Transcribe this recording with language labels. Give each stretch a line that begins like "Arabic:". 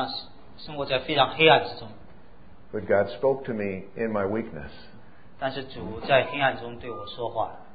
Chinese: 有两三天我是非常像生活在非常黑暗之中。
English: But God spoke to me in my weakness.
Chinese: 但是主在黑暗中对我说话。